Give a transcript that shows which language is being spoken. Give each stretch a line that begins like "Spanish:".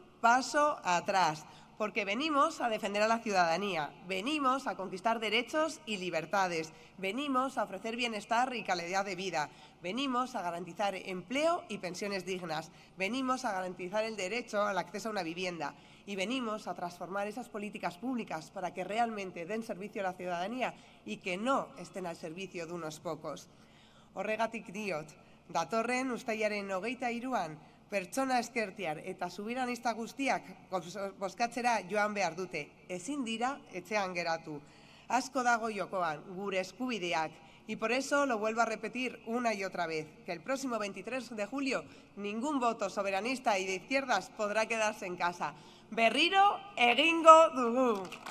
Spanish: paso atrás, porque venimos a defender a la ciudadanía, venimos a conquistar derechos y libertades, venimos a ofrecer bienestar y calidad de vida, venimos a garantizar empleo y pensiones dignas, venimos a garantizar el derecho al acceso a una vivienda y venimos a transformar esas políticas públicas para que realmente den servicio a la ciudadanía y que no estén al servicio de unos pocos.
Basque: Horregatik diot, datorren ustailaren 23an, pertsona ezkertiar eta subiranista guztiak bozkatzera joan behar dute. Ezin dira etxean geratu. Asko dago jokoan, gure eskubideak.
Spanish: Y por eso lo vuelvo a repetir una y otra vez, que el próximo 23 de julio ningún voto soberanista y de izquierdas podrá quedarse en casa.
Basque: Berriro egingo dugu.